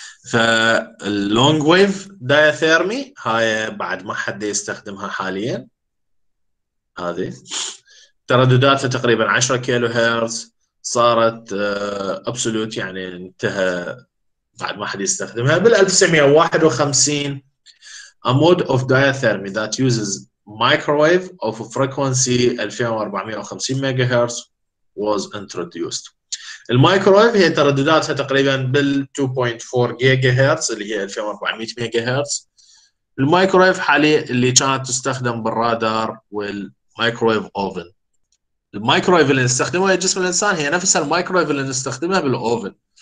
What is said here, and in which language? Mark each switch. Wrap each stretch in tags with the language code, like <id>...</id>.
<ar>فاللونج ويف دايثيرمي هاي بعد ما حد يستخدمها حاليا، هذه تردداتها تقريبا 10 كيلو هرتز، صارت ابسولوت يعني انتهى بعد ما حد يستخدمها بال 1951.</ar> <en>A mode of diathermy that uses microwave of a frequency 2450 megahertz was introduced.</en> <ar>المايكرويف هي تردداتها تقريبا بال 2.4 جيجا هرتز اللي هي 2400 ميجا هرتز. المايكرويف حاليا اللي كانت تستخدم بالرادار والمايكرويف اوفن. المايكرويف اللي نستخدمها في جسم الانسان هي نفس المايكرويف اللي نستخدمها بالاوفن.</ar>